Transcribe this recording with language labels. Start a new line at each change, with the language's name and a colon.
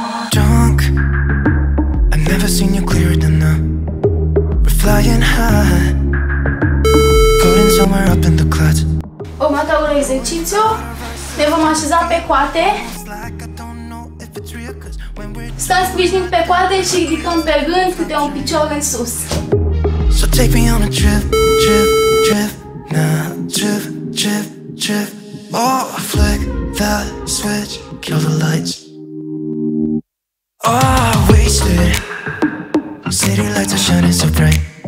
English: Drunk, I've never seen you clearer than now. We're flying high, floating somewhere up in the clouds.
Romanian: Următorul exercițiu, ne vom așeza pe coate. Stăm sprijinit pe coate și ridicăm pe rând câte un picior în sus.
English: So take me on a trip, trip, trip, now. Trip, trip, trip. Oh, flick that switch, kill the lights. Oh, wasted. City lights are shining so bright.